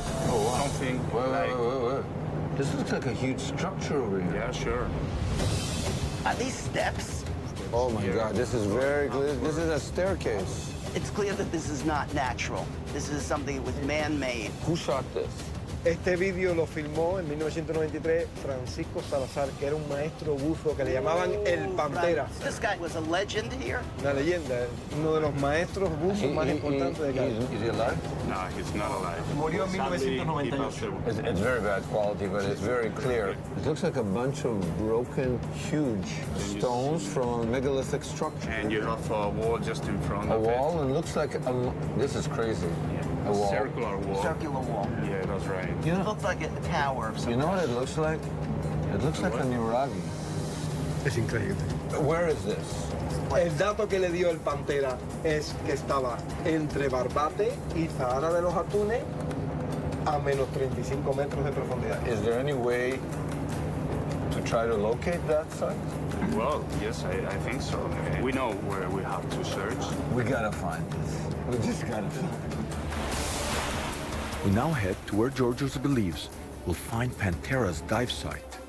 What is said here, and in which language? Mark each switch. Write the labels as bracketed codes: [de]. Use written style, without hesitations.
[en] Oh, wow. Something This looks like a huge structure over here. Yeah, sure. Are these steps? Oh, my God, this is very clear. This is a staircase. It's clear that this is not natural. This is something that was man-made. Who shot this? [es] Este vídeo lo filmó en 1993 Francisco Salazar, que era un maestro buzo que le llamaban el Pantera. [en] This guy was a legend here. [es] Una leyenda, uno de los maestros buzos más importantes de Cali. [en] Is he alive? No, he's not alive. [es] Murió en 1998. [en] It's very bad quality, but it's very clear. It looks like a bunch of broken, huge stones from a megalithic structure. And you have a wall just in front of it. A wall, and it looks like a, this is crazy. A wall. Circular wall. Circular wall. Yeah, that's right. You know, it looks like a tower. You know what it looks like? It looks like a Nuragi. It's incredible. Where is this? [es] El dato que le dio el Pantera es que estaba entre Barbate y Zahara de los Atunes a menos 35 metros de profundidad. [en] Is there any way to try to locate that site? Well, yes, I think so. We know where we have to search. We gotta find this. We just gotta find it. We now head to where Georgios believes we'll find Pantera's dive site.